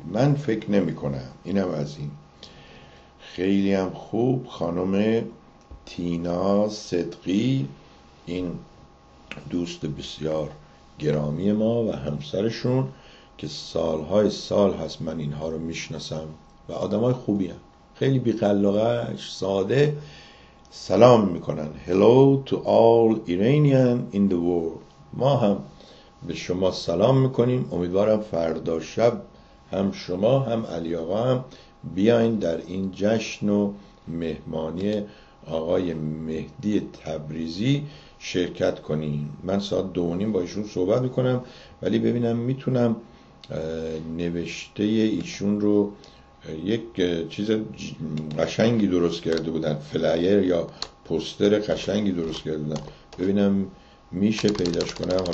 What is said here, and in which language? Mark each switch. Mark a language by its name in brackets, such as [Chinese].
[Persian] من فکر نمی کنم. اینم از این. خیلی هم خوب، خانم تینا صدقی، این دوست بسیار گرامی ما و همسرشون که سالهای سال هست من اینها رو میشناسم و آدم های خوبی هم. خیلی بی‌قلقش، ساده سلام میکنن. [English] Hello to all Iranian in the world. [Persian] ما هم به شما سلام میکنیم. امیدوارم فردا شب هم شما هم علی آقا هم بیاین در این جشن و مهمانی آقای مهدی تبریزی شرکت کنین. من ساعت 2:30 با ایشون صحبت میکنم، ولی ببینم میتونم نوشته ایشون رو، یک چیز قشنگی درست کرده بودن، فلایر یا پوستر قشنگی درست کرده بودن، ببینم میشه پیداش کنم.